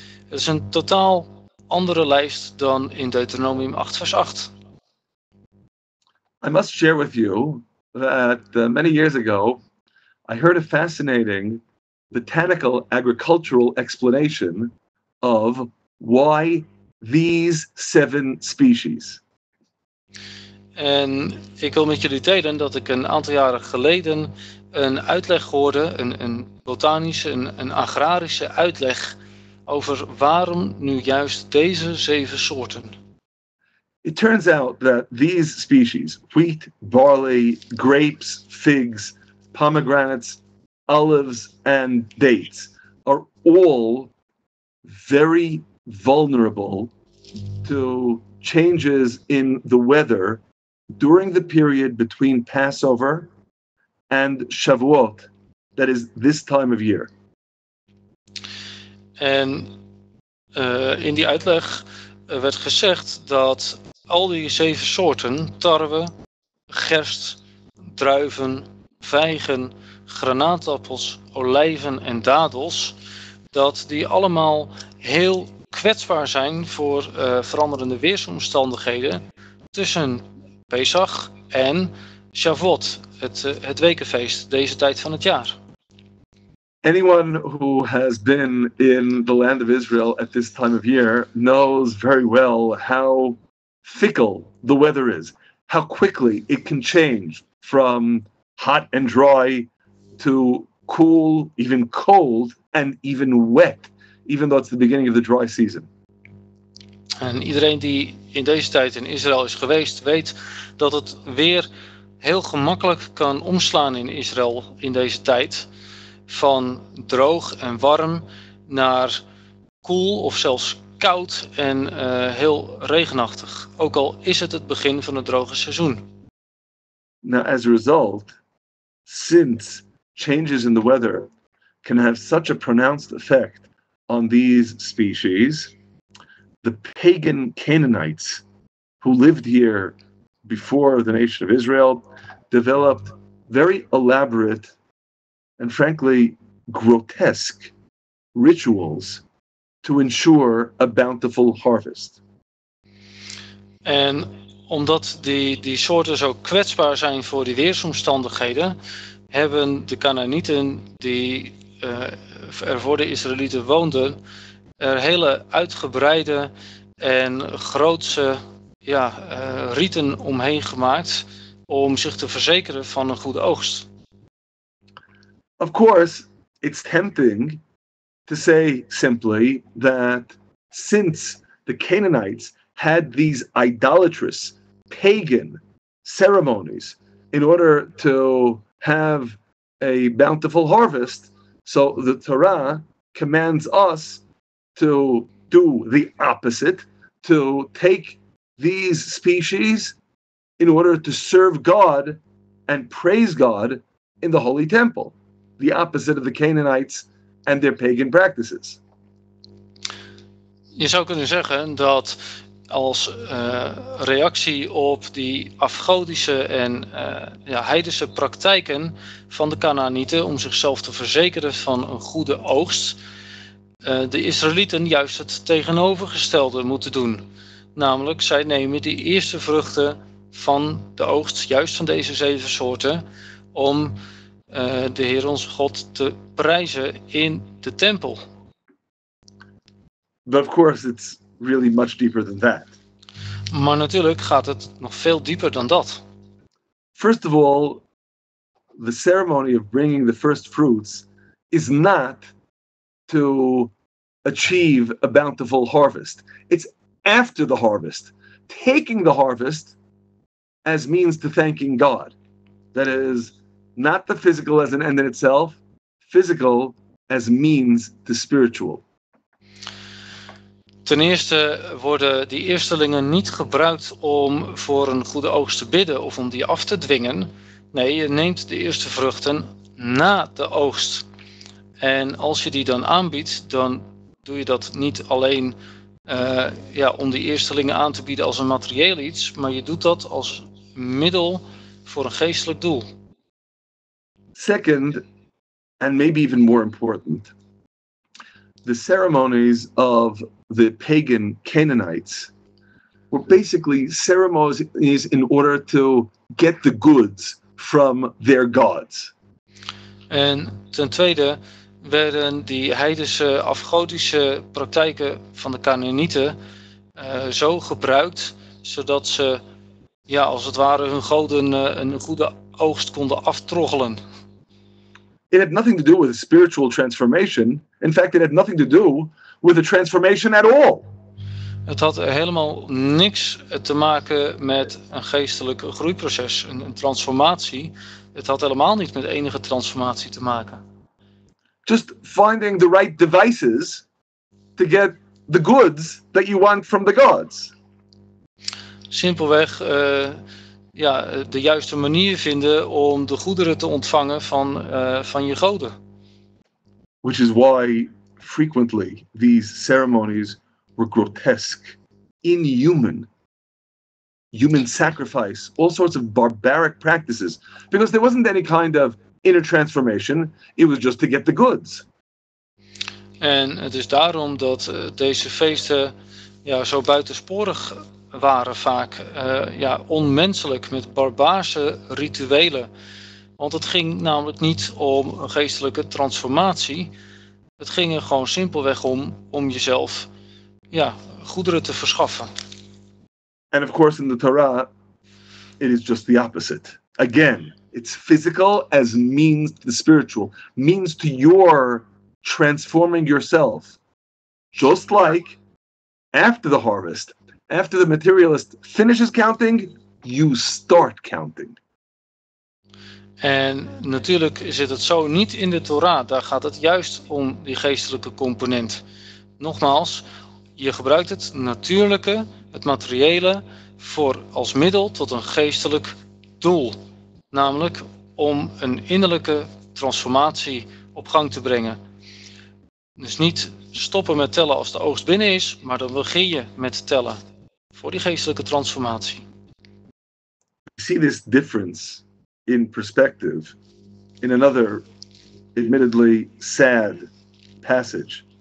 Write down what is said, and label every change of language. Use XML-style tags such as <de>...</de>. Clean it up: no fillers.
<nl>Dat is een totaal andere lijst dan in Deuteronomium 8 vers 8.</nl> <en>I must share with you that many years ago I heard a fascinating botanical agricultural explanation of why these seven species.</en> <nl>En ik wil met jullie delen dat ik een aantal jaren geleden een uitleg hoorde, een botanische, een agrarische uitleg over waarom nu juist deze zeven soorten.</nl> <en>It turns out that these species, wheat, barley, grapes, figs, pomegranates, olives and dates, are all very vulnerable to changes in the weather during the period between Passover and Shavuot, that is this time of year.</en> <nl>En in die uitleg werd gezegd dat al die zeven soorten, tarwe, gerst, druiven, vijgen, granaatappels, olijven en dadels, dat die allemaal heel kwetsbaar zijn voor veranderende weersomstandigheden tussen Pesach en Shavuot, het wekenfeest, deze tijd van het jaar.</nl> <en>Anyone who has been in the land of Israel at this time of year knows very well how fickle the weather is, how quickly it can change from hot and dry to cool, even cold, and even wet, even though it's the beginning of the dry season.</en> <nl>En iedereen die in deze tijd in Israël is geweest, weet dat het weer heel gemakkelijk kan omslaan in Israël in deze tijd. Van droog en warm naar koel of zelfs koud en heel regenachtig. Ook al is het begin van het droge seizoen.</nl> <en>Now, as a result, since changes in the weather can have such a pronounced effect on these species, the pagan Canaanites who lived here before the nation of Israel developed very elaborate and frankly grotesque rituals to ensure a bountiful harvest.</en> <nl>En omdat die soorten zo kwetsbaar zijn voor die weersomstandigheden, hebben de Canaanieten die ervoor de Israëlieten woonden, er hele uitgebreide en grootse rieten omheen gemaakt om zich te verzekeren van een goede oogst.</nl> <en>Of course, it's tempting to say simply that since the Canaanites had these idolatrous pagan ceremonies in order to have a bountiful harvest, so the Torah commands us to do the opposite, to take these species in order to serve God and praise God in the Holy Temple, the opposite of the Canaanites and their pagan practices.</en> <nl>Je zou kunnen zeggen dat als reactie op die afgodische en heidense praktijken van de Canaanieten om zichzelf te verzekeren van een goede oogst, de Israëlieten juist het tegenovergestelde moeten doen. Namelijk, zij nemen die eerste vruchten van de oogst, juist van deze zeven soorten, om de Heer onze God te prijzen in de tempel.</nl> <en>But of course it's really much deeper than that.</en> <nl>Maar natuurlijk gaat het nog veel dieper dan dat.</nl> <en>First of all, the ceremony of bringing the first fruits is not to achieve a bountiful harvest. It's after the harvest, taking the harvest as means to thanking God. That is, not the physical as an end in itself, physical as means to spiritual.</en> <nl>Ten eerste worden die eerstelingen niet gebruikt om voor een goede oogst te bidden of om die af te dwingen. Nee, je neemt de eerste vruchten na de oogst. En als je die dan aanbiedt, dan doe je dat niet alleen om die eerstelingen aan te bieden als een materieel iets, maar je doet dat als middel voor een geestelijk doel.</nl> <en>Second, and maybe even more important, the ceremonies of the pagan Canaanites were basically ceremonies in order to get the goods from their gods.</en> <nl>En ten tweede werden die heidense afgodische praktijken van de Canaanieten zo gebruikt, zodat ze als het ware hun goden een goede oogst konden aftroggelen.</nl> <en>It had nothing to do with a spiritual transformation. In fact, it had nothing to do with a transformation at all.</en> <nl>Het had helemaal niks te maken met een geestelijk groeiproces, een transformatie. Het had helemaal niet met enige transformatie te maken.</nl> <en>Just finding the right devices to get the goods that you want from the gods.</en> <nl>Simpelweg de juiste manier vinden om de goederen te ontvangen van je goden.</nl> <en>Which is why frequently these ceremonies were grotesque, inhuman, human sacrifice, all sorts of barbaric practices, because there wasn't any kind of inner transformation, it was just to get the goods.</en> <nl>En het is daarom dat deze feesten zo buitensporig waren vaak, onmenselijk, met barbaarse rituelen. Want het ging namelijk niet om een geestelijke transformatie. Het ging er gewoon simpelweg om jezelf goederen te verschaffen.</nl> <en>And of course in the Torah, it is just the opposite. Again, it's physical as means to the spiritual. Means to your transforming yourself. Just like after the harvest, after the materialist finishes counting, you start counting.</en> <nl>En natuurlijk zit het zo niet in de Torah. Daar gaat het juist om die geestelijke component. Nogmaals, je gebruikt het natuurlijke, het materiële, voor als middel tot een geestelijk doel. Namelijk om een innerlijke transformatie op gang te brengen. Dus niet stoppen met tellen als de oogst binnen is, maar dan begin je met tellen voor die geestelijke transformatie.</nl> <en>We see this difference in perspective in another admittedly sad passage</en>